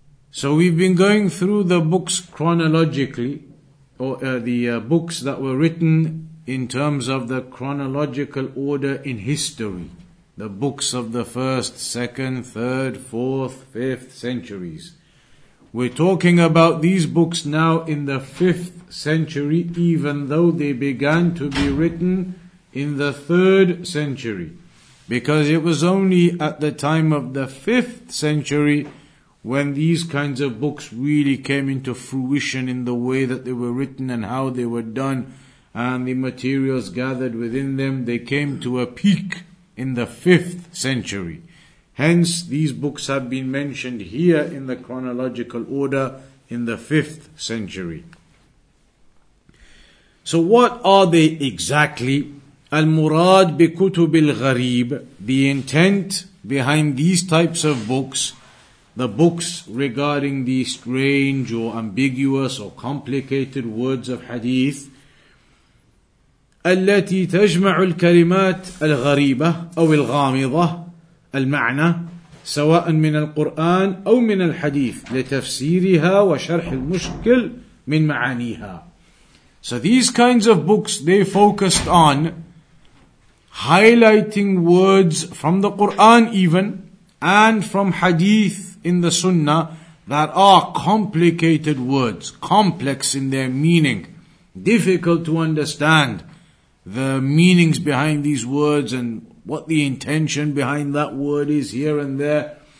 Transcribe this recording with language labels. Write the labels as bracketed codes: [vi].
[en] So we've been going through the books chronologically, or the books that were written in terms of the chronological order in history. The books of the 1st, 2nd, 3rd, 4th, 5th centuries. We're talking about these books now in the 5th century, even though they began to be written in the 3rd century. Because it was only at the time of the 5th century when these kinds of books really came into fruition in the way that they were written and how they were done and the materials gathered within them. They came to a peak in the 5th century. Hence, these books have been mentioned here in the chronological order in the 5th century. So what are they exactly? [ar] Al-murad bi kutub al-ghareeb, [en] the intent behind these types of books, the books regarding the strange or ambiguous or complicated words of hadith, [ar] التي تجمع الكلمات الغريبة أو الغامضة المعنى سواء من القرآن أو من الحديث لتفسيرها وشرح المشكل من معانيها. [en] So these kinds of books, they focused on highlighting words from the Quran even and from hadith in the Sunnah that are complicated words, complex in their meaning, difficult to understand the meanings behind these words and what the intention behind that word is here and there.